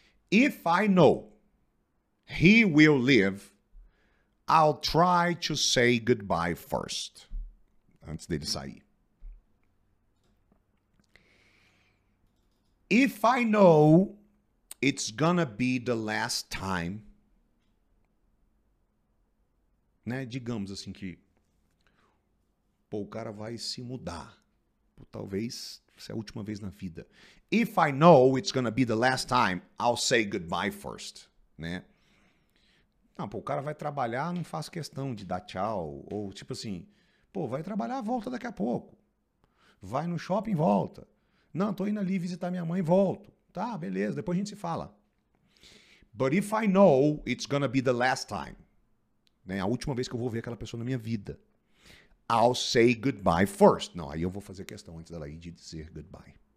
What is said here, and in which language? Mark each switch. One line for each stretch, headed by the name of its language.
English: If I know he will live, I'll try to say goodbye first.
Portuguese: Antes dele sair.
English: If I know it's gonna be the last time, né?
Portuguese: Digamos assim que, pô, o cara vai se mudar. Pô, talvez seja a última vez na vida.
English: If I know it's gonna be the last time, I'll say goodbye first, né?
Portuguese: Não, pô, o cara vai trabalhar, não faz questão de dar tchau. Ou tipo assim, pô, vai trabalhar, volta daqui a pouco. Vai no shopping, volta. Não, tô indo ali visitar minha mãe, volto. Tá, beleza, depois a gente se fala.
English: But if I know, it's gonna be the last time.
Portuguese: Né? A última vez que eu vou ver aquela pessoa na minha vida.
English: I'll say goodbye first.
Portuguese: Não, aí eu vou fazer questão antes dela ir de dizer goodbye.